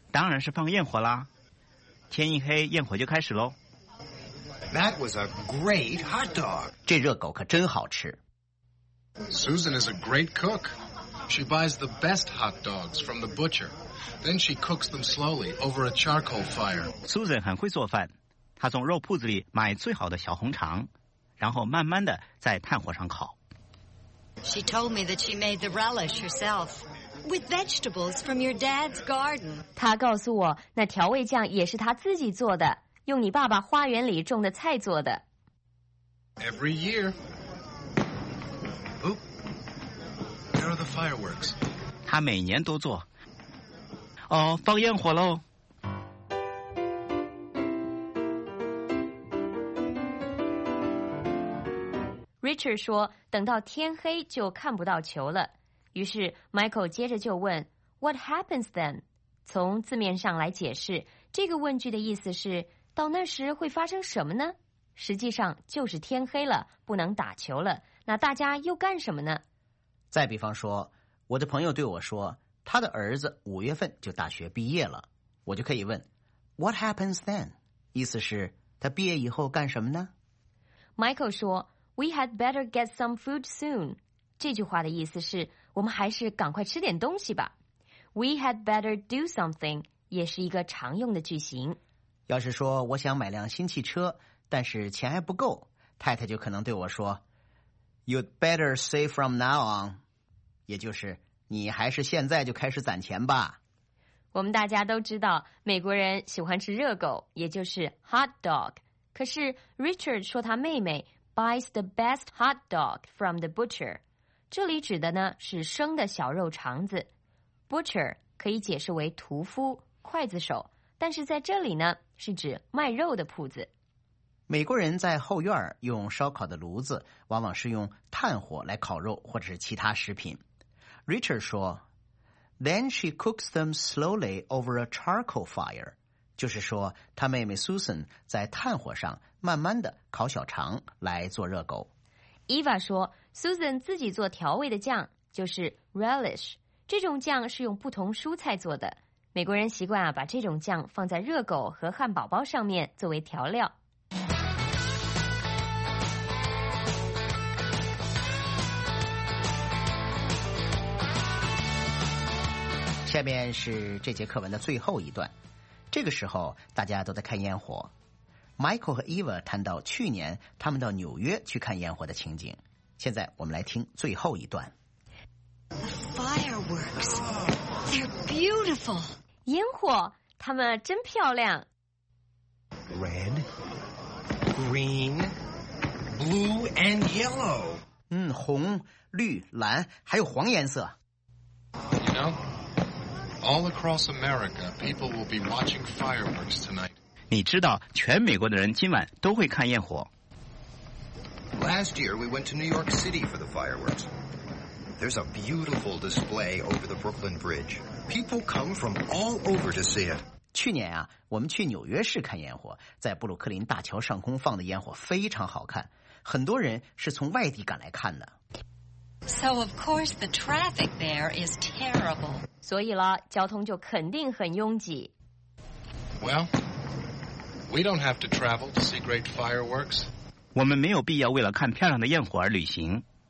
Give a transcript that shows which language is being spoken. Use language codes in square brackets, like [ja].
[zh] 当然是放焰火啦。天一黑，焰火就开始喽。 [en] That was a great hot dog. [zh] 这热狗可真好吃。 [en] Susan is a great cook. She buys the best hot dogs from the butcher. Then she cooks them slowly over a charcoal fire. [zh] Susan 很会做饭，她从肉铺子里买最好的小红肠，然后慢慢的在炭火上烤。 [en] She told me that she made the relish herself. With vegetables from your dad's garden. [zh] 他告诉我，那调味酱也是他自己做的，用你爸爸花园里种的菜做的。 [en] Every year. Oop. There are the fireworks. [zh] 他每年都做。哦，放焰火喽。 Richard 说，等到天黑就看不到球了。于是 Michael 接着就问 [en] What happens then? [zh] 从字面上来解释，这个问句的意思是到那时会发生什么呢？实际上就是天黑了，不能打球了。那大家又干什么呢？再比方说，我的朋友对我说，他的儿子五月份就大学毕业了，我就可以问 [en] What happens then? [zh] 意思是他毕业以后干什么呢？ [en] Michael [zh] 说 [en] We had better get some food soon. [zh] 这句话的意思是我们还是赶快吃点东西吧。 [en] We had better do something [zh] 也是一个常用的句型。要是说我想买辆新汽车，但是钱还不够，太太就可能对我说 [en] You'd better save from now on. [zh] 也就是你还是现在就开始攒钱吧。我们大家都知道美国人喜欢吃热狗，也就是 hot dog。可是 Richard 说他妹妹 [en] buys the best hot dog from the butcher， [zh] 这里指的呢是生的小肉肠子。 butcher 可以解释为屠夫、刽子手，但是在这里呢是指卖肉的铺子。美国人在后院用烧烤的炉子往往是用炭火来烤肉或者是其他食品。 [en] Richard [zh] 说 [en] Then she cooks them slowly over a charcoal fire. [zh] 就是说他妹妹 Susan 在炭火上慢慢的烤小肠来做热狗。 Eva 说 Susan 自己做调味的酱，就是 relish。这种酱是用不同蔬菜做的。美国人习惯把这种酱放在热狗和汉堡包上面作为调料。下面是这节课文的最后一段，这个时候大家都在看烟火。 Michael 和 Eva 谈到去年他们到纽约去看烟火的情景，现在我们来听最后一段。 [en] The fireworks, they're beautiful. [zh] 烟火，它们真漂亮。 [en] Red, green, blue and yellow. [zh] 红、绿、蓝，还有黄颜色。 [en] You know,All across America, people will be watching fireworks tonight. [zh] 你知道，全美国的人今晚都会看焰火。 [en] Last year, we went to New York City for the fireworks. There's a beautiful display over the Brooklyn Bridge. People come from all over to see it. [zh] 去年啊，我们去纽约市看焰火，在布鲁克林大桥上空放的烟火非常好看，很多人是从外地赶来看的。 [en] So of course the traffic there is terrible. [zh] 所以了，交通就肯定很拥挤。 [en] Well, we don't have to travel to see great fireworks. [zh] 我们没有必要为了看漂亮的焰火而旅行。